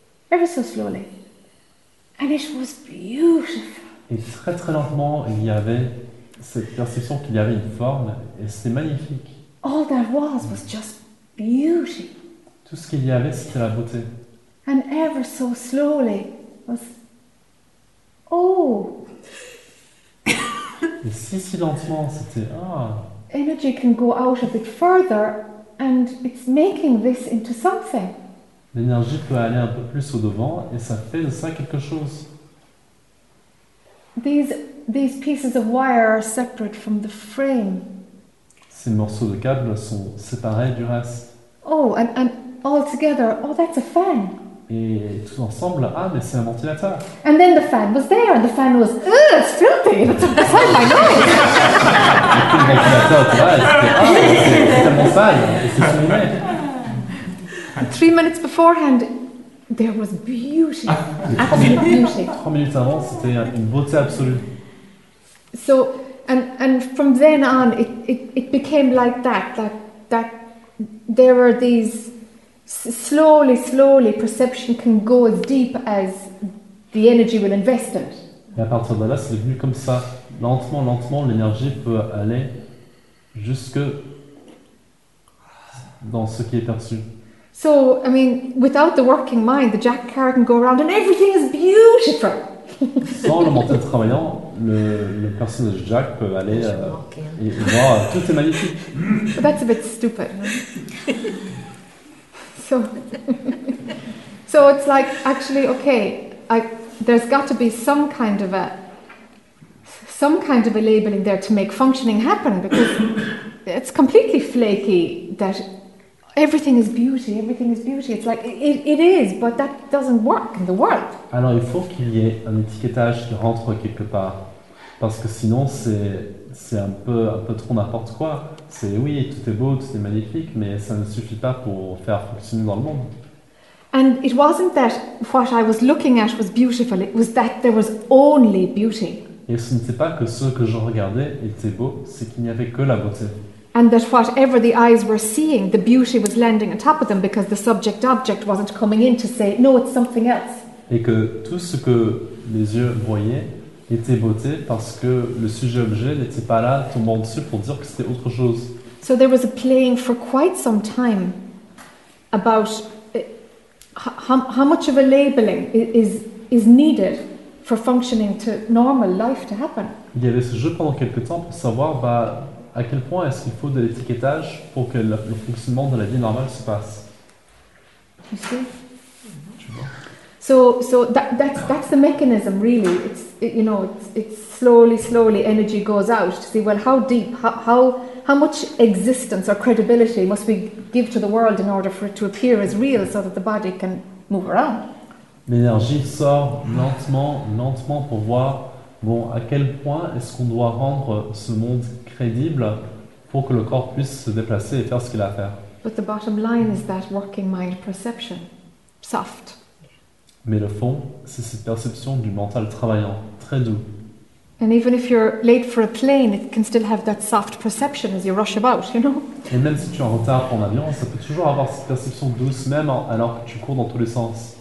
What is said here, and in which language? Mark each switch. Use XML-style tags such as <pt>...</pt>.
<en>Ever so slowly. And it was beautiful.</en> <fr>Et très très lentement, il y avait cette perception qu'il y avait une forme, et c'était magnifique.</fr> <en>All there was just beauty.</en> <fr>Tout ce qu'il y avait, c'était la beauté.</fr> <en>And ever so slowly, was... Oh!</en> <fr>Et si lentement, c'était... Ah.</fr> <en>Energy can go out a bit further and it's making this into something.</en> <fr>L'énergie peut aller un peu plus au-devant et ça fait de ça quelque chose.</fr> <en>These pieces of wire are separate from the frame.</en> <fr>Ces morceaux de câble sont séparés du reste.</fr> <en>Oh, and all together, oh, that's a fan!</en> <fr>Et tout ensemble, ah, mais c'est un ventilateur.</fr> <en>And then the fan was there, and the fan was, it's filthy, it's a fan, I know.</en> <fr>Et puis le ventilateur était là, et c'était, ah, c'est tellement sale, et c'est son humain.</fr> <en>3 minutes beforehand, there was beauty, absolute beauty.</en> <fr>3 minutes avant, c'était une beauté absolue.</fr> <en>So, and from then on, it became like that there were these, slowly, perception can go as deep as the energy will invest in it.</en> <fr>Et à partir de là, c'est devenu comme ça. Lentement, l'énergie peut aller jusque dans ce qui est perçu.</fr> <en>So, I mean, without the working mind, the jack car can go around and everything is beautiful.</en> <fr>Sans le mental travaillant, le personnage Jack peut aller et voir tout est magnifique.</fr> <en>But that's a bit stupid. So, so it's like actually okay. There's got to be some kind of a labeling there to make functioning happen, because it's completely flaky that everything is beauty. It's like it is, but that doesn't work in the world.</en> <fr>Alors il faut qu'il y ait un étiquetage qui rentre quelque part, parce que sinon c'est un peu trop n'importe quoi. C'est oui, tout est beau, tout est magnifique, mais ça ne suffit pas pour faire fonctionner dans le monde.</fr> <en>And it wasn't that what I was looking at was beautiful, it was that there was only beauty.</en> <fr>Et ce n'était pas que ce que je regardais était beau, c'est qu'il n'y avait que la beauté.</fr> <en>And that whatever the eyes were seeing, the beauty was landing on top of them, because the subject-object wasn't coming in to say, no, it's something else.</en> <fr>Et que tout ce que les yeux voyaient était beauté, parce que le sujet-objet n'était pas là, tombant dessus pour dire que c'était autre chose.</fr> <en>So there was a playing for quite some time about how much of a labeling is needed for functioning to normal life to happen.</en> <fr>Il y avait ce jeu pendant quelque temps pour savoir à quel point est-ce qu'il faut de l'étiquetage pour que le fonctionnement de la vie normale se passe.</fr> <en>You see? So that's the mechanism really. It's slowly energy goes out to see, well, how deep, how much existence or credibility must we give to the world in order for it to appear as real, so that the body can move around.</en> <fr>L'énergie sort lentement pour voir, bon, à quel point est-ce qu'on doit rendre ce monde crédible pour que le corps puisse se déplacer et faire ce qu'il a à faire.</fr> <en>But the bottom line is that working mind perception, soft.</en> <fr>Mais le fond, c'est cette perception du mental travaillant, très doux.</fr> <en>And even if you're late for a plane, it can still have that soft perception as you rush about, you know.</en> <fr>Et même si tu es en retard pour un avion, ça peut toujours avoir cette perception douce, même alors que tu cours dans tous les sens.</fr>